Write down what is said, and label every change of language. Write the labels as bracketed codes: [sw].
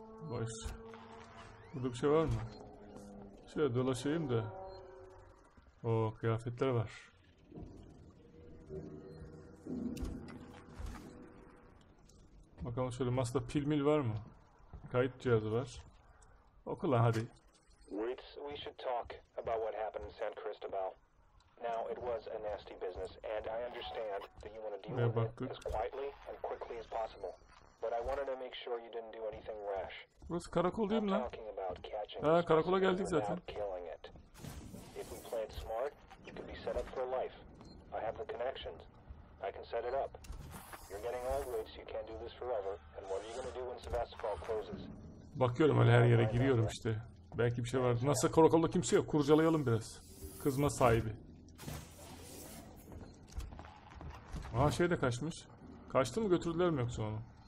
[tr] Boş. Burada bir şey var mı? Şöyle dolaşayım da. Oo, kıyafetler var. Bakalım şöyle masada pil mil var mı? Kayıt cihazı var. Oku lan hadi. [en] Ritz, we should talk about what happened in San Cristobal. Now, it was a nasty business, and I understand that you want to deal with it as quietly and quickly as possible. But I wanted to make sure you didn't do anything rash. [tr] Burası karakol değil mi lan? Karakola geldik zaten. [en] If we play it smart, you can be set up for life. I have the connections. I can set it up. You're getting old, Ritz, you can't do this forever. And what are you going to do when Sevastopol closes? [tr] Bakıyorum öyle her yere giriyorum işte. Belki bir şey vardı. Nasıl karakolda kimse yok. Kurcalayalım biraz. Kızma sahibi. Aha şey de kaçmış. Kaçtı mı götürdüler mi yoksa onu?